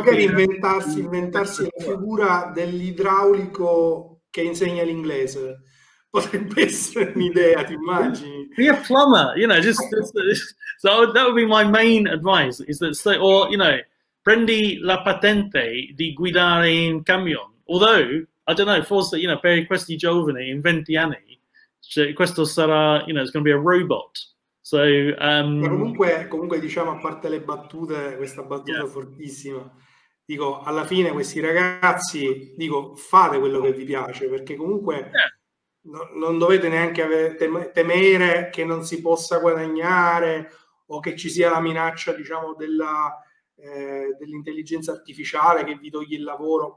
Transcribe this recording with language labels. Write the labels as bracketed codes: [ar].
[it] O magari inventarsi la figura dell'idraulico che insegna l'inglese. Potrebbe essere un'idea, ti immagini? [en] Be a plumber, you know, just so that would be my main advice is that, so, or you know, [it] prendi la patente di guidare in camion. [en] Although, I don't know, forse, you know, [it] per questi giovani in 20 anni, questo sarà, [en] you know, it's going to be a robot. So, [it] comunque, diciamo, a parte le battute, questa battuta yeah. fortissima, dico, alla fine questi ragazzi, dico, fate quello che vi piace, perché comunque non dovete neanche temere che non si possa guadagnare o che ci sia la minaccia, diciamo, dell'intelligenza artificiale che vi toglie il lavoro.